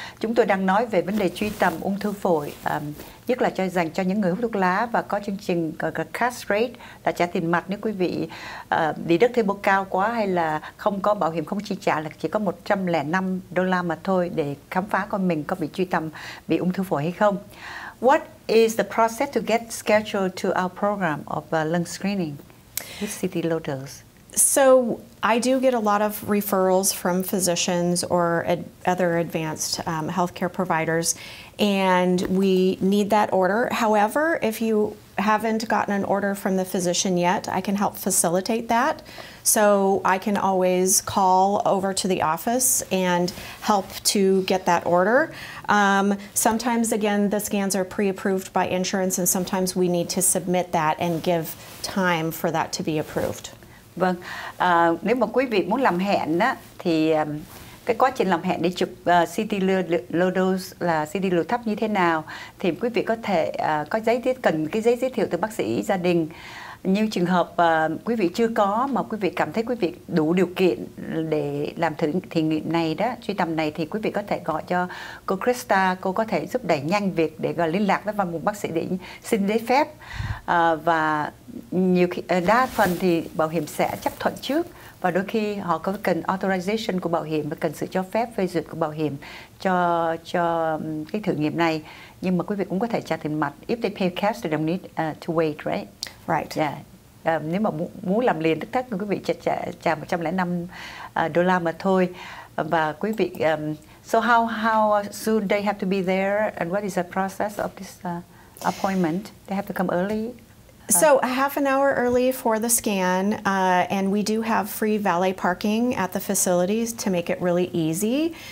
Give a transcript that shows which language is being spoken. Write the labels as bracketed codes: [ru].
[vi] Chúng tôi đang nói về vấn đề truy tầm ung thư phổi, nhất là dành cho những người hút thuốc lá, và có chương trình Castrate là trả tiền mặt nếu quý vị đi đất thuê bộ cao quá hay là không có bảo hiểm không chi trả, là chỉ có $105 mà thôi để khám phá con mình có bị truy tầm, bị ung thư phổi hay không. [en] What is the process to get scheduled to our program of lung screening with CT low dose? So I do get a lot of referrals from physicians or other advanced healthcare providers, and we need that order. However, if you haven't gotten an order from the physician yet, I can help facilitate that. So I can always call over to the office and help to get that order. Sometimes, again, the scans are pre-approved by insurance, and sometimes we need to submit that and give time for that to be approved. [vi] Vâng, nếu mà quý vị muốn làm hẹn á, thì cái quá trình làm hẹn để chụp CT low dose là CT liều thấp như thế nào, thì quý vị có thể có giấy cần cái giấy giới thiệu từ bác sĩ gia đình. Như trường hợp quý vị chưa có mà quý vị cảm thấy quý vị đủ điều kiện để làm thử thí nghiệm này đó, truy tầm này, thì quý vị có thể gọi cho cô Cresta, cô có thể giúp đẩy nhanh việc để gọi liên lạc với một bác sĩ để xin giấy phép. Và nhiều khi, đa phần thì bảo hiểm sẽ chấp thuận trước, và đôi khi họ có cần authorization của bảo hiểm và cần sự cho phép phê duyệt của bảo hiểm cho cái thử nghiệm này. Nhưng mà quý vị cũng có thể trả tiền mặt. [en] If they pay cash, they don't need to wait, right? Right. Yeah. [vi] Nếu mà muốn làm liền tức khắc, quý vị trả $105 mà thôi. Và quý vị, [en] so how soon they have to be there, and what is the process of this appointment? They have to come early? So a half an hour early for the scan, and we do have free valet parking at the facilities to make it really easy.